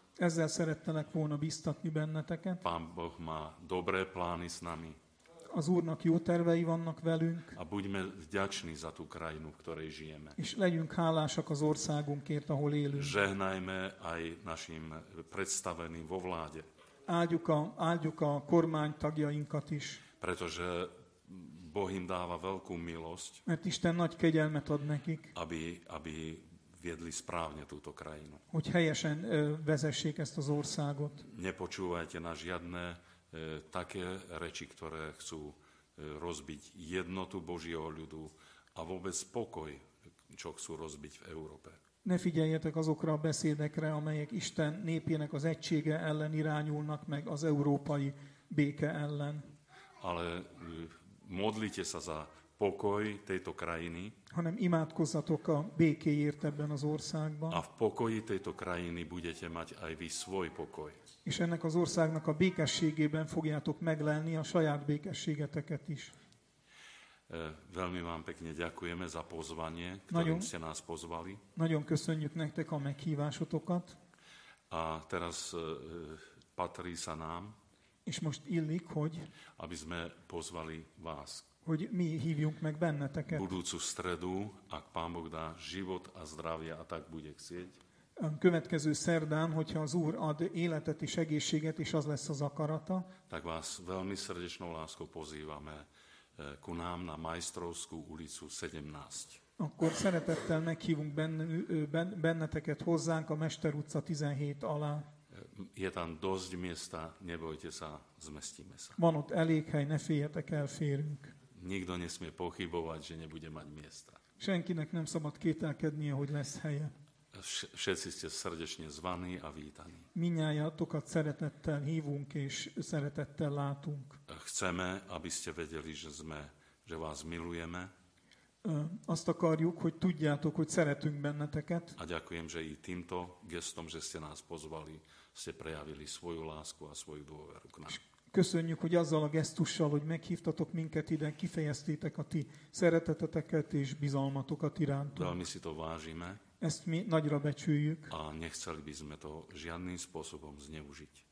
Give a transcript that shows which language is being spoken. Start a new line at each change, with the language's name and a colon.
Hungarian: Ezzel szerettelek volna biztatni benneteket.
Slovak: Pán Boh má dobré plány s nami.
Hungarian: Az Úrnak jó tervei vannak velünk.
Slovak: A buďme vďační za tú krajinu, v ktorej žijeme.
Hungarian: És legyünk hálásak az országunkért, ahol élünk.
Slovak: Žehnajme aj našim predstaveným vo vláde.
Hungarian: Áldjuk a kormány tagjainkat is.
Slovak: Pretože Boh im dáva veľkú milosť.
Hungarian: Mert Isten nagy kegyelmet ad nekik.
Slovak: Aby viedli správne túto krajinu.
Hungarian: Hogy helyesen vezessék ezt az országot.
Slovak: Nepočúvajte na žiadne také reči, ktoré chcú rozbiť jednotu Božieho ľudu a vôbec pokoj, čo chcú rozbiť v Európe.
Hungarian: Ne figyeljetek azokra a beszédekre, amelyek Isten népének az egysége ellen irányulnak, meg az európai béke ellen.
Slovak: Ale modlite sa za pokoj tejto krajiny.
Hungarian: Hanem imádkozzatok a békéért ebben az országban.
Slovak: A v pokoji tejto krajiny budete mať aj vy svoj pokoj.
Hungarian: És ennek az országnak a békességében fogjátok meglelni a saját békességeteket is.
Slovak: Veľmi vám pekne ďakujeme za pozvanie, ktorým ste nás pozvali.
Hungarian: Nagyon köszönjük nektek a meghívásotokat.
Slovak: A teraz patrí sa nám.
Hungarian: És most illik, hogy
Slovak: aby sme pozvali vás.
Hungarian: Hogy mi hívjunk meg benneteket.
Slovak: Budúcu stredu, ak Pán Boh dá život a zdravie, a tak bude chcieť.
Hungarian: Következő szerdán, hogyha az Úr ad életet és egészséget, és az lesz az akarata.
Slovak: Tak vás veľmi srdečnou láskou pozývame ku nám na Majstrovskú ulicu 17.
Hungarian: Akkor szeretettel meghívunk benneteket hozzánk a Mester utca 17 alá.
Slovak: Je tam dosť miesta, nebojte sa, zmestíme sa.
Hungarian: Van ott elég hely, ne féljetek, elférünk.
Slovak: Nikto nesmie pochybovať, že nebude mať miesta.
Hungarian: Senkinek nem szabad kételkednie, hogy lesz helye.
Slovak: Všetci ste srdečne zvaní a vítaní.
Hungarian: Minnyájatokat szeretettel hívunk és szeretettel látunk.
Slovak: Chceme, aby ste vedeli, že vás milujeme.
Hungarian: Azt akarjuk, hogy tudjátok, hogy szeretünk benneteket.
Slovak: A ďakujem, že i týmto gestom, že ste nás pozvali, ste prejavili svoju lásku a svoju dôveru k nám.
Hungarian: Köszönjük, hogy azzal a gesztussal, hogy meghívtatok minket ide, kifejeztétek a ti szereteteteket és bizalmatokat irántunk.
Slovak: Veľmi si to vážime.
Hungarian: Ezt mi nagyra becsüljük.
Slovak: A nechceli by sme to žiadnym spôsobom zneužiť.